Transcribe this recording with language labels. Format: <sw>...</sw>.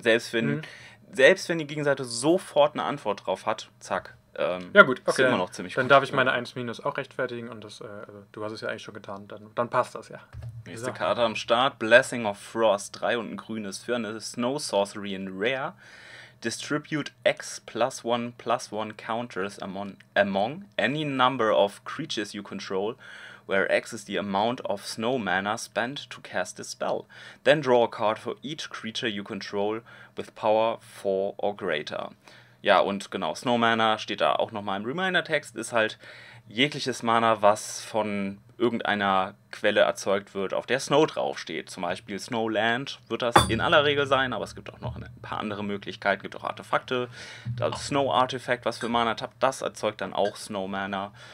<de>Selbst wenn die Gegenseite sofort eine Antwort drauf hat, zack. Ja gut, okay. Ist immer noch ziemlich dann gut. Darf ich meine 1 minus auch rechtfertigen und das, also, du hast es ja eigentlich schon getan, dann passt das ja. Nächste so. Karte am Start, Blessing of Frost, 3 und ein grünes für eine Snow Sorcery in Rare.</de> <en>Distribute X +1/+1 counters among any number of creatures you control, where X is the amount of snow mana spent to cast a spell. Then draw a card for each creature you control with power 4 or greater.</en> <de>Ja, und genau, Snowmana steht da auch nochmal im Reminder-Text, ist halt jegliches Mana, was von irgendeiner Quelle erzeugt wird, auf der Snow draufsteht. Zum Beispiel Snowland wird das in aller Regel sein, aber es gibt auch noch ein paar andere Möglichkeiten, gibt auch Artefakte. Das Snow-Artefakt, was für Mana tappt, das erzeugt dann auch Snowmana.</de>